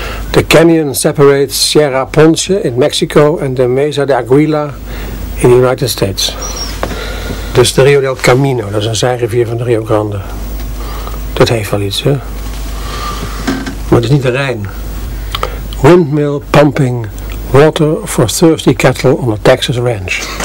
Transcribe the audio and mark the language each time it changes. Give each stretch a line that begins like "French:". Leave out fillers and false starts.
English: The canyon separates Sierra Ponce in Mexico and the Mesa de Aguila in the United States.
Dutch: Dus de Rio del Camino, dat is een zijrivier van de Rio Grande. Dat heeft wel iets, hè? Maar het is niet de Rijn.
English: Windmill pumping water for thirsty cattle on a Texas ranch.